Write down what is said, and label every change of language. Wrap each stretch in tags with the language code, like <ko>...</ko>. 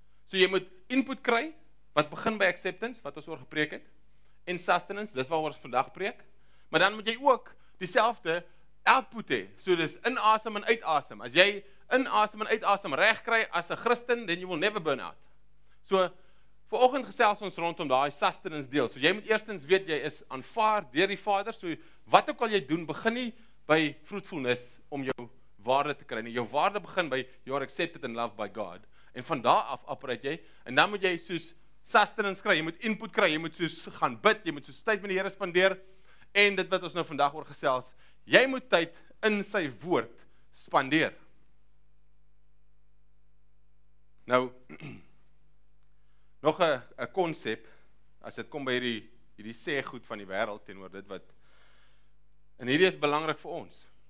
<af>So jy moet input kry, wat begin by acceptance, wat ons oor gepreek het, en sustenance, dis waar ons vandag preek, maar dan moet jy ook dieselfde output hê, so dis inasem en uitasem. As jy inasem en uitasem reg kry as 'n Christen,</af> <en>then you will never burn out.</en> <af>So, vanoggend gesels ons rondom daai sustenance deel. So jy moet eerstens weet jy is aanvaar deur die Vader. So wat ook al jy doen, begin nie by fruitfulness om jou waarde te kry nie. Jou waarde begin by</af> <en>you are accepted and loved by God.</en> <af>En van daar af operate jy en dan moet jy soos sustenance kry. Jy moet input kry, jy moet soos gaan bid, jy moet soos tyd met die Here spandeer en dit wat ons nou vandag oor gesels, jy moet tyd in sy woord spandeer. Nou nog 'n konsep, as dit kom by hierdie sê goed van die wêreld teenoor dit wat, en hierdie is belangrik vir ons.</af>